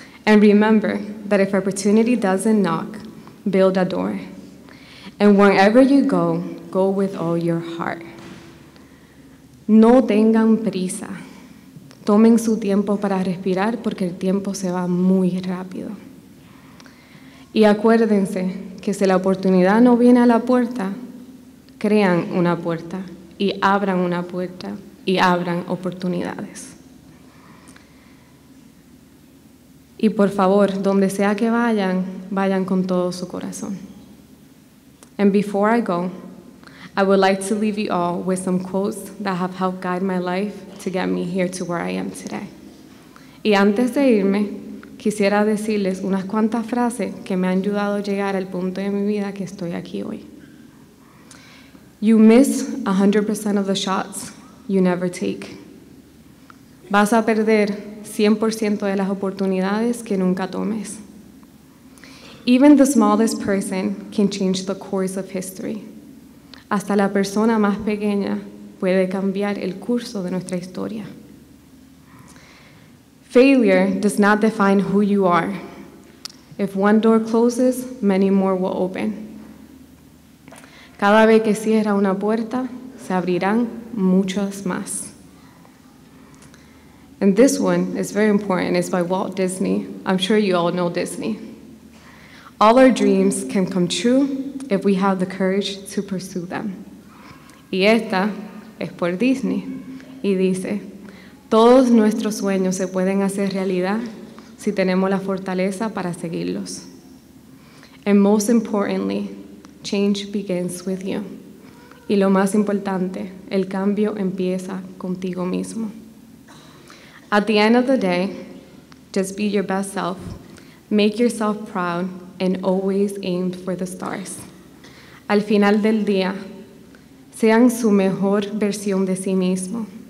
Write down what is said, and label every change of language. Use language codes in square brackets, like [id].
[en] And remember that if opportunity doesn't knock, build a door. And wherever you go, go with all your heart. [es] No tengan prisa. Tomen su tiempo para respirar porque el tiempo se va muy rápido. Y acuérdense que si la oportunidad no viene a la puerta, crean una puerta y abran una puerta y abran oportunidades. Y por favor, donde sea que vayan, vayan con todo su corazón. [en] And before I go, I would like to leave you all with some quotes that have helped guide my life to get me here to where I am today. [es] Y antes de irme, quisiera decirles unas cuantas frases que me han ayudado a llegar al punto de mi vida que estoy aquí hoy. [en] You miss 100% of the shots you never take. [es] Vas a perder 100% de las oportunidades que nunca tomes. [en] Even the smallest person can change the course of history. [es] Hasta la persona más pequeña puede cambiar el curso de nuestra historia. [en] Failure does not define who you are. If one door closes, many more will open. [es] Cada vez que cierra una puerta, se abrirán muchas más. [en] And this one is very important. It's by Walt Disney. I'm sure you all know Disney. All our dreams can come true if we have the courage to pursue them. [es] Y esta es por Disney. Y dice, todos nuestros sueños se pueden hacer realidad si tenemos la fortaleza para seguirlos. [en] And most importantly, change begins with you. [es] Y lo más importante, el cambio empieza contigo mismo. [en] At the end of the day, just be your best self. Make yourself proud and always aim for the stars. [es] Al final del día, sean su mejor versión de sí mismo.